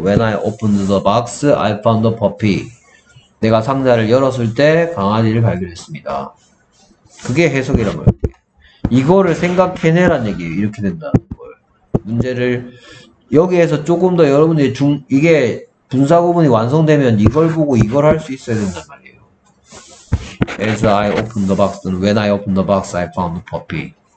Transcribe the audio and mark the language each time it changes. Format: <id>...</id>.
<en>When I opened the box, I found a puppy.</en> <ko>내가 상자를 열었을 때 강아지를 발견했습니다. 그게 해석이란 말이에요. 이거를 생각해내란 얘기예요. 이렇게 된다. 문제를 여기에서 조금 더 여러분들이 이게 분사 구분이 완성되면 이걸 보고 이걸 할 수 있어야 된단 말이에요.</ko> <en>As I opened the box, when I opened the box, I found the puppy.</en>